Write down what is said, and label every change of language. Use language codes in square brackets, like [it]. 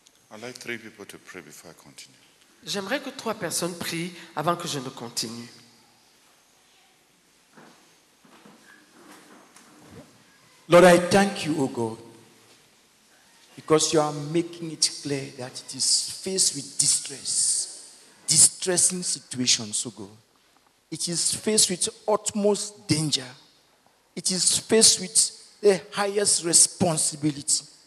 [en] I'd like three people to pray before I continue. [fr] J'aimerais que trois personnes prient avant que je ne continue. [en] Lord, I thank you, O God, because you are making it clear that it is faced with distress, distressing situations, O God. It is faced with utmost danger. It is faced with the highest responsibility.